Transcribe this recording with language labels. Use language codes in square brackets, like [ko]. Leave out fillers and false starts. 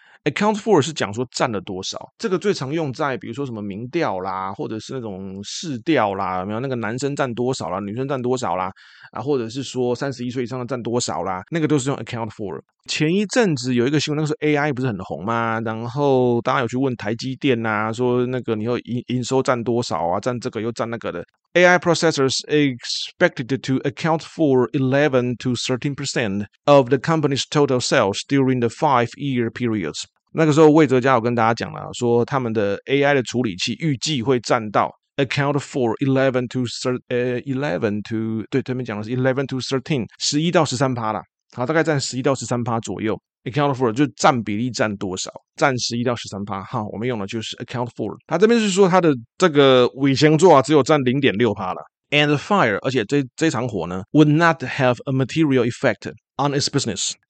[zh] account for 是讲说占了多少，这个最常用在比如说什么民调啦，或者是那种市调啦，有没有那个男生占多少啦，女生占多少啦，啊，或者是说31岁以上的占多少啦，那个都是用 account for。前一阵子有一个新闻，那个时候 AI 不是很红吗，然后大家有去问台积电啦，啊，说那个你又营收占多少啊，占这个又占那个的。 [en] AI processors expected to account for 11 to 13% of the company's total sales during the 5-year periods。 [zh] 那个时候魏哲家有跟大家讲了，说他们的 AI 的处理器预计会占到 [en] account for 11 to 13%， [zh] 大概占11-13%左右。 account for 就占比例占多少，占11-13%。好，我们用的就是 account for。他这边是说他的这个尾箱座，啊，只有占 0.6% 啦。 [en] and the fire， [zh] 而且 这场火呢 [en] would not have a material effect on its business。